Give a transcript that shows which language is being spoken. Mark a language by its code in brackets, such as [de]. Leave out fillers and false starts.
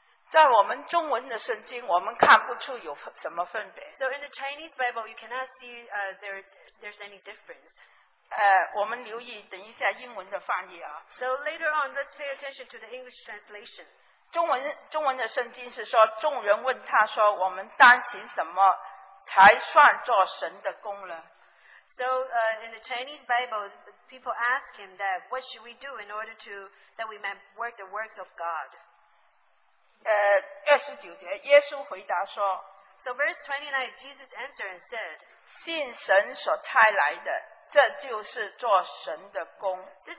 [zh] 在我们中文的圣经，我们看不出有什么分别。 [en] So in the Chinese Bible, you cannot see there's any difference. [zh] 我们留意等一下英文的翻译啊。 [en] So later on, let's pay attention to the English translation. [zh] 中文的圣经是说，众人问他说，我们当行什么才算做神的功呢？ [en] So in the Chinese Bible, people ask him that, what should we do in order to that we may work the works of God? [zh] 29节，耶稣回答说。 [en] So verse 29, Jesus answered and said, [zh] 信神所差来的。这就是做神的功。 [en] This